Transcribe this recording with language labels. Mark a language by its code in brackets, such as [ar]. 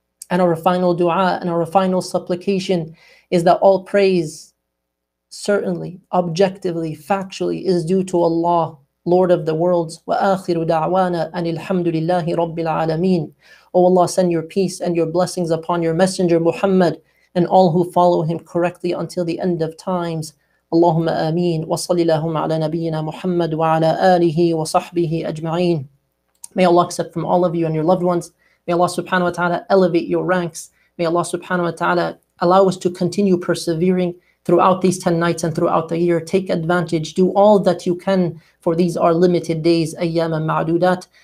[en] And our final dua and our final supplication is that all praise, certainly, objectively, factually, is due to Allah, Lord of the worlds. [ar] Wa akhiru da'wana an alhamdulillahi rabbil alameen. [en] O Allah, send your peace and your blessings upon your messenger Muhammad and all who follow him correctly until the end of times. [ar] اللهم آمين. وصل اللهم على نبينا محمد وعلى آله وصحبه أجمعين. [en] May Allah accept from all of you and your loved ones. May Allah [ar] subhanahu wa ta'ala [en] elevate your ranks. May Allah [ar] subhanahu wa ta'ala [en] allow us to continue persevering throughout these 10 nights and throughout the year. Take advantage, do all that you can, for these are limited days, [ar] ayyam and ma'dudat.